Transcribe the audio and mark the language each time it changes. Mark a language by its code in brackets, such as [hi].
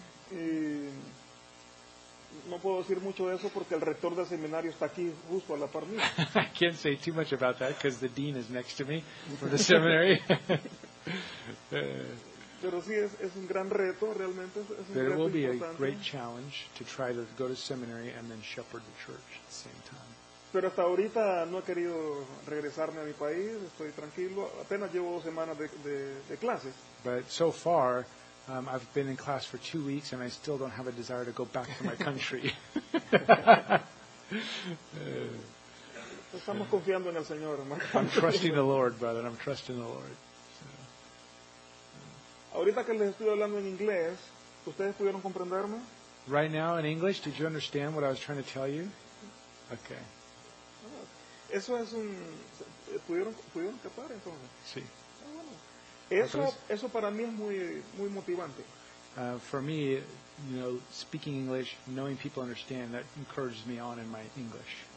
[es] Y no puedo decir mucho de eso porque el rector del seminario está aquí justo a la par mía. [en] I can't say too much about that because the dean is next to me for the seminary. [es] Pero sí, es un gran reto, realmente. [en] But it will be a great challenge to try to go to seminary and then shepherd the church at the same time. [es] Pero hasta ahorita no he querido regresarme a mi país, estoy tranquilo, apenas llevo 2 semanas de clases. [en] But so far, I've been in class for 2 weeks and I still don't have a desire to go back to my country. [es] Estamos confiando en el Señor, hermano. [en] I'm trusting the Lord, brother, I'm trusting the Lord. [es] Ahorita que les estoy hablando en inglés, ¿ustedes pudieron comprenderme? [en] Right now in English, did you understand what I was trying to tell you? Okay. [es] Eso es un... ¿Pudieron captar entonces? Sí. Eso para mí es muy, muy motivante. [en] For me, you know, speaking English, knowing people understand, that encourages me on in my English.